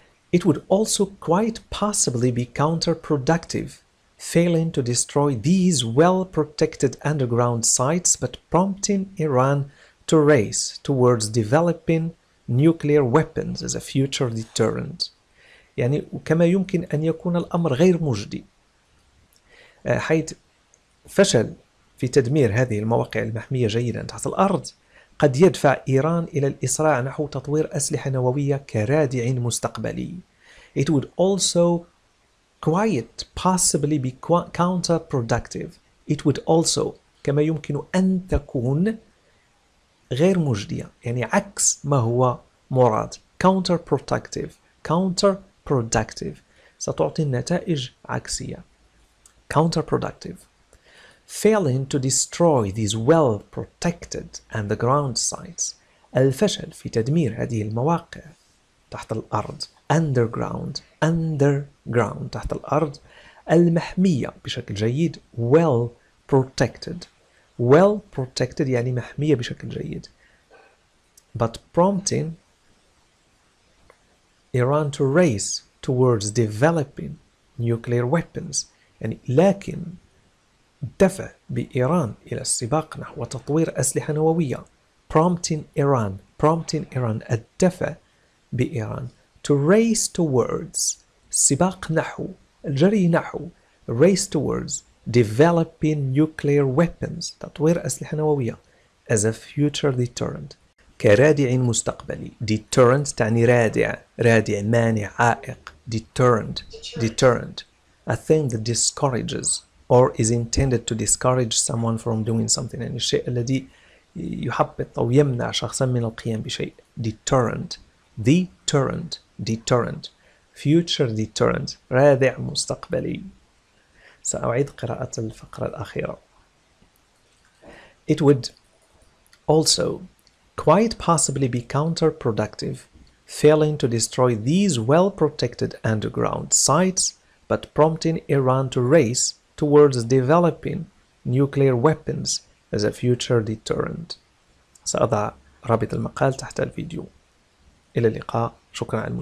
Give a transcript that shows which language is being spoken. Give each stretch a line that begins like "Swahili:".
English: It would also quite possibly be counterproductive, failing to destroy these well-protected underground sites, but prompting Iran to race towards developing nuclear weapons as a future deterrent.
Arabic: يعني كما يمكن أن يكون الأمر غير مجدي، حيث فشل في تدمير هذه المواقع المحمية جيدا تحت الأرض قد يدفع إيران إلى الإسراع نحو تطوير أسلحة نووية كرادع مستقبلي.
English: It would also quite possibly be counterproductive. It would also
Arabic: كما يمكن أن تكون غير مجدية، يعني عكس ما هو مراد.
English: Counterproductive. Counterproductive.
Arabic: ستعطي النتائج عكسية.
English: Counterproductive. Failing to destroy these well-protected underground sites.
Arabic: الفشل في تدمير هذه المواقع تحت الأرض.
English: Underground. Underground.
Arabic: تحت الأرض. المحمية بشكل جيد.
English: Well-protected. Well-protected
Arabic: يعني محمية بشكل جيد.
English: But prompting Iran to race towards developing nuclear weapons.
Arabic: يعني لكن دفع بإيران إلى السباق نحو تطوير أسلحة نووية.
English: Prompting Iran. Prompting Iran.
Arabic: الدفع بإيران.
English: To race towards.
Arabic: سباق نحو. الجري نحو.
English: Race towards developing nuclear weapons.
Arabic: تطوير أسلحة نووية.
English: As a future deterrent.
Arabic: كرادع مستقبلي. Deterrent تعني رادع. رادع مانع عائق.
English: Deterrent. Deterrent. A thing that discourages. Or is intended to discourage someone from doing something.
Arabic: يعني الشيء الذي يحبط أو يمنع شخصا من القيام بشيء.
English: Deterrent. Deterrent. Deterrent. Future deterrent.
Arabic: رادع مستقبلي. سأعيد قراءة الفقرة الأخيرة.
English: It would also quite possibly be counterproductive, failing to destroy these well-protected underground sites, but prompting Iran to race towards developing nuclear weapons as a future deterrent.
Arabic: سأضع رابط المقال تحت الفيديو. إلى اللقاء. شكرا على المشاهدة.